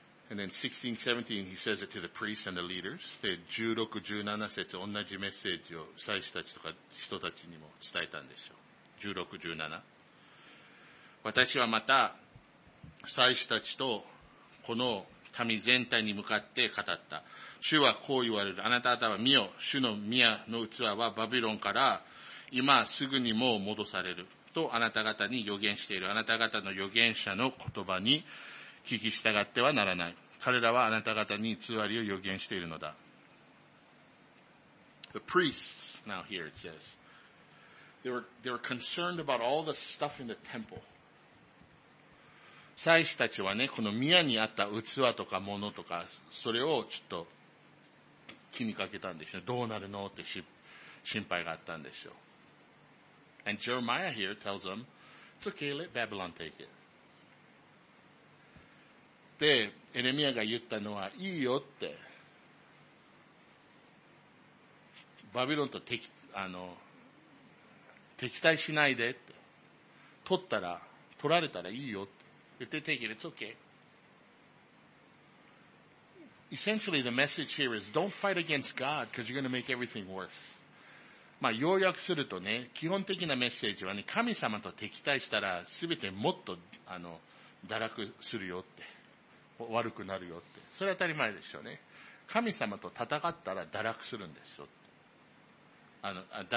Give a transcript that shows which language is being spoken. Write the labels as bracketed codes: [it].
[en] And then 16:17, he says it to the priests and the leaders. [ja] で、16、17節、同じメッセージを祭司たちとか人たちにも伝えたんですよ。 16、17。私はまた祭司たちとこの民全体に向かって語った。主はこう言われる。あなた方は見よ。主の宮の器はバビロンから今すぐにも戻されるとあなた方に予言している。あなた方の予言者の言葉に聞き従ってはならない。彼らはあなた方に偽りを予言しているのだ。 [en] The priests, now here it says, they were concerned about all the stuff in the temple. [ja] 祭司たちはね、この宮にあった器とか物とか、それをちょっと気にかけたんでしょう。どうなるのって心配があったんでしょう。 [en] And Jeremiah here tells them, it's okay, let Babylon take it. [ja] で、エレミアが言ったのは、いいよって。バビロンと敵対しないでって。取ったら、取られたらいいよって。 [en] If they take it, it's okay. Essentially, the message here is, don't fight against God, because you're going to make everything worse. [ja] まあ、要約するとね、基本的なメッセージはね、神様と敵対したら、すべてもっと、堕落するよって。悪くなるよって。それは当たり前でしょうね。神様と戦ったら堕落するんですよって。